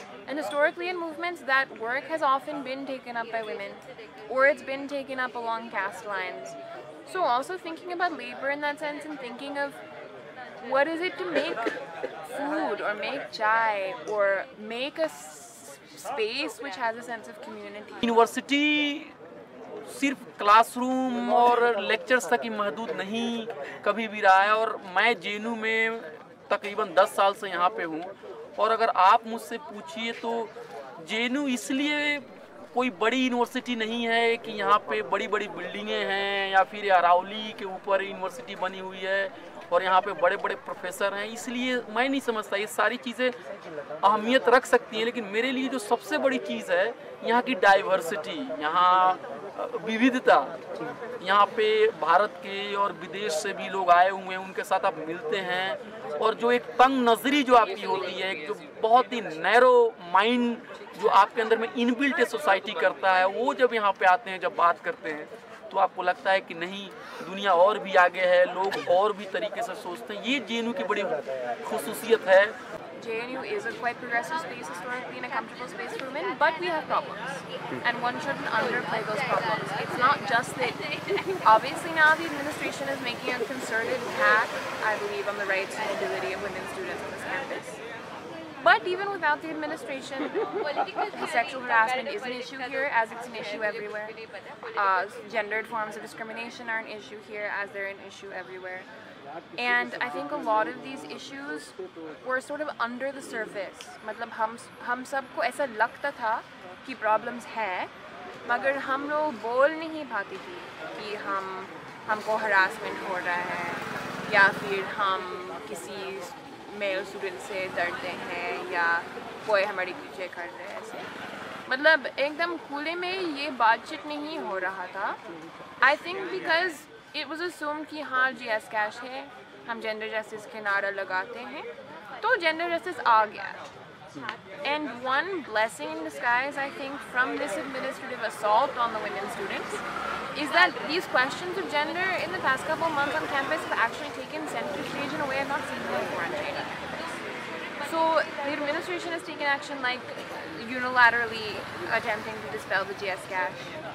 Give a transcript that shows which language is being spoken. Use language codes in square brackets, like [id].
[en] And historically in movements, that work has often been taken up by women, or it's been taken up along caste lines. So also thinking about labor in that sense and thinking of what is it to make food or make chai or make a space which has a sense of community. [hi] University सिर्फ classroom और lectures तक ही महदूद नहीं कभी भी रहा है और मैं जेएनयू में तकरीबन 10 साल से यहाँ पे हूँ और अगर आप मुझसे पूछिए तो जेएनयू इसलिए कोई बड़ी यूनिवर्सिटी नहीं है कि यहाँ पे बड़ी बड़ी बिल्डिंगें हैं या फिर अरावली के ऊपर यूनिवर्सिटी बनी हुई है और यहाँ पे बड़े बड़े प्रोफेसर हैं इसलिए मैं नहीं समझता ये सारी चीज़ें अहमियत रख सकती हैं लेकिन मेरे लिए जो सबसे बड़ी चीज़ है यहाँ की डाइवर्सिटी यहाँ विविधता यहाँ पे भारत के और विदेश से भी लोग आए हुए हैं उनके साथ आप मिलते हैं और जो एक तंग नज़री जो आपकी होती है एक जो बहुत ही नैरो माइंड जो आपके अंदर में इनबिल्ट सोसाइटी करता है वो जब यहाँ पे आते हैं जब बात करते हैं तो आपको लगता है कि नहीं दुनिया और भी आगे है लोग और भी तरीके से सोचते हैं ये जेएनयू की बड़ी खुसूसियत है [en] JNU is a quite progressive space historically and a comfortable space for women, but we have problems. And one shouldn't underplay those problems. It's not just that. Obviously now the administration is making a concerted attack, I believe, on the rights and mobility of women students on this campus. But even without the administration, sexual harassment is an issue here, as it's an issue everywhere. Gendered forms of discrimination are an issue here, as they're an issue everywhere. And I think a lot of these issues were sort of under the surface. [hi] मतलब हम सबको ऐसा लगता था कि problems हैं, मगर हम लोग बोल नहीं पाते थे कि हमको harassment हो रहा है, या फिर हम किसी male student से डरते हैं, या कोई हमारे पीछे कर रहा है ऐसे। मतलब एकदम खुले में ये बातचीत नहीं हो रहा था। [en] I think because it was assumed [hi] कि हाँ GSCASH है हम gender justice के नारा लगाते हैं तो gender justice आ गया [en] and one blessing in disguise I think from this administrative assault on the women students is that these questions of gender in the past couple months on campus have actually taken center stage in a way I've not seen before on JNU so the administration has taken action like unilaterally attempting to dispel the GSCASH